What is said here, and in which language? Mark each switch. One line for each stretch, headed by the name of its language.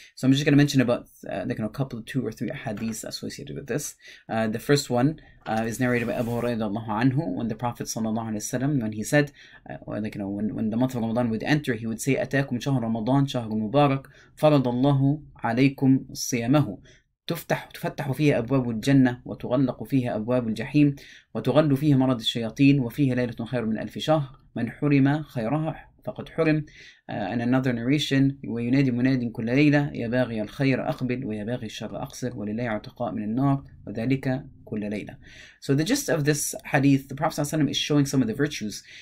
English: So I'm just going to mention about a couple, two or three hadiths associated with this. The first one is narrated by Abu Hurairah anhu, when the Prophet sallallahu alaihi wasallam, when he said, when the month of Ramadan would enter, he would say,
Arabic: "Atakum shahr Ramadan shahr mubarak faradallahu alaykum siyamahu." تفتح فيها أبواب الجنة وتغلق فيها أبواب الجحيم وتغل فيها مرض الشياطين وفيها ليلة خير من ألف شهر من حرم خيرها فقد حرم.
English: And another narration,
Arabic: وينادي مناد كل ليلة يا باغي الخير أقبل ويا باغي الشر أقصر ولله عتقاء من النار وذلك كل ليلة.
English: So the gist of this hadith, the Prophet ﷺ is showing some of the virtues.